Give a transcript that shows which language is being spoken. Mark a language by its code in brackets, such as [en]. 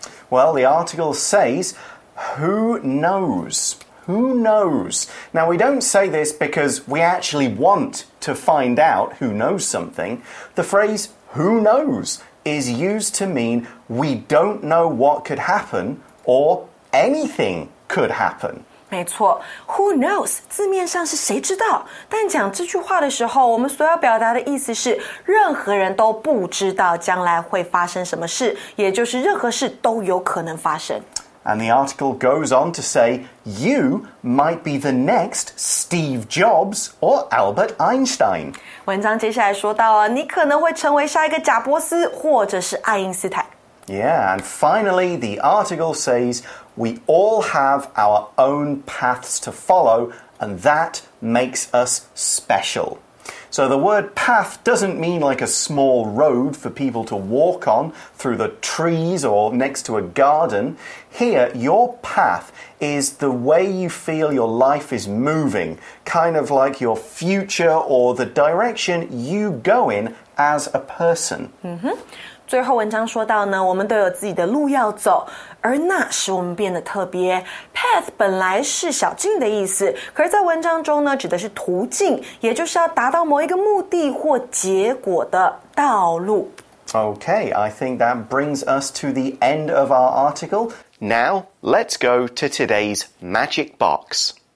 [en] Well, the article says, who knows? Who knows? Now, we don't say this because we actually want to find out who knows something. The phrase, who knows, is used to mean we don't know what could happen or anything could happen. [zh] 没错 , [en] who knows, [zh] 字面上是谁知道但讲这句话的时候我们所要表达的意思是任何人都不知道将来会发生什么事也就是任何事都有可能发生。 [en] And the article goes on to say, you might be the next Steve Jobs or Albert Einstein. [zh] 文章接下来说到你可能会成为下一个贾伯斯或者是爱因斯坦。 [en] Yeah, and finally, the article says, we all have our own paths to follow, and that makes us special. So the word path doesn't mean like a small road for people to walk on through the trees or next to a garden. Here, your path is the way you feel your life is moving, kind of like your future or the direction you go in as a person. Mm-hmm. [zh] 最后文章说到呢我们都有自己的路要走而那使我们变得特别 Path 本来是小径的意思可是在文章中呢指的是途径也就是要达到某一个目的或结果的道路 [en] Okay, I think that brings us to the end of our article Now, let's go to today's Magic Box